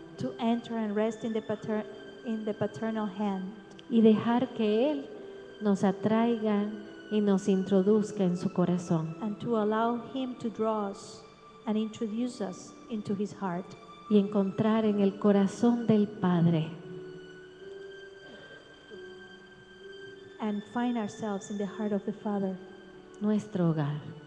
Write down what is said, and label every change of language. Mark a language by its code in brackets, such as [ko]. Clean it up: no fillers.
[en] To enter and rest in the paternal hand. [es] Y dejar que Él nos atraiga y nos introduzca en su corazón. [en] And to allow Him to draw us and introduce us into His heart. [es] Y encontrar en el corazón del Padre. [en] And find ourselves in the heart of the Father. [es] Nuestro hogar.